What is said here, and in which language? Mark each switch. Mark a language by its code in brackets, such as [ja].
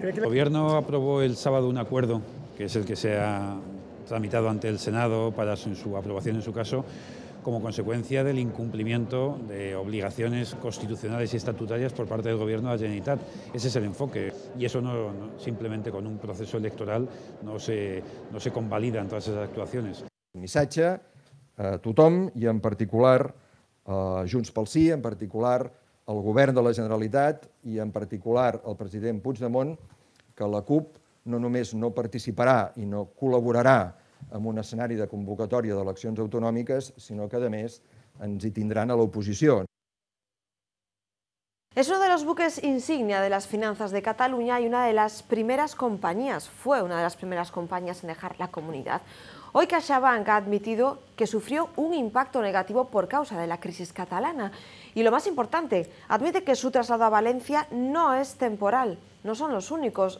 [es] El Gobierno aprobó el sábado un acuerdo, que es el que se ha tramitado ante el Senado para su aprobación en su caso, como consecuencia del incumplimiento de obligaciones constitucionales y estatutarias por parte del Gobierno de la Generalitat. Ese es el enfoque, y eso no simplemente con un proceso electoral no se convalidan todas esas actuaciones. [ca] El missatge a tothom, i en particular a Junts pel Sí, en particular al Govern de la Generalitat i en particular al president Puigdemont, que la CUP no només no participarà i no col·laborarà en un escenari de convocatòria d'eleccions autonòmiques, sinó que a més ens hi tindran a l'oposició. [es] Es uno de los buques insignia de las finanzas de Cataluña y una de las primeras compañías, fue una de las primeras compañías en dejar la comunidad. Hoy CaixaBank ha admitido que sufrió un impacto negativo por causa de la crisis catalana. Y lo más importante, admite que su traslado a Valencia no es temporal. No son los únicos.